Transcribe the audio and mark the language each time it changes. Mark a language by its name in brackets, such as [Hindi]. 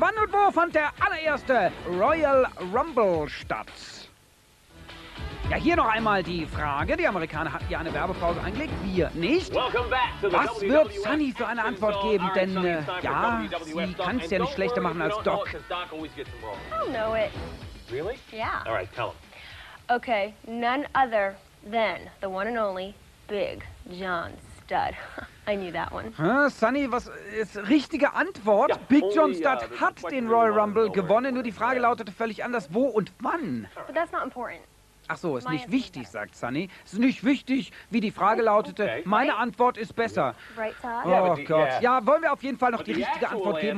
[German] Wann und wo fand der allererste Royal Rumble statt? Ja, hier noch einmal die Frage. Die Amerikaner hatten ja eine Werbepause eingelegt, wir nicht. Was wird Sunny für eine Antwort geben? Denn, ja, sie kann es ja nicht schlechter machen als Doc. [English] I don't know it. Really? Yeah. All right, tell him. Okay, none other than the one and only Big John Studd. I knew that one. [German] Huh, Sunny, was ist richtige Antwort? Yeah, Big John Studd hat den Royal Rumble gewonnen, nur die Frage lautete völlig anders, wo und wann? [English] But that's not important. [German] Ach so, ist nicht wichtig, sagt Sunny. Es ist nicht wichtig, wie die Frage lautete. Meine Antwort ist besser. Oh Gott. Ja, wollen wir auf jeden Fall noch die richtige Antwort geben.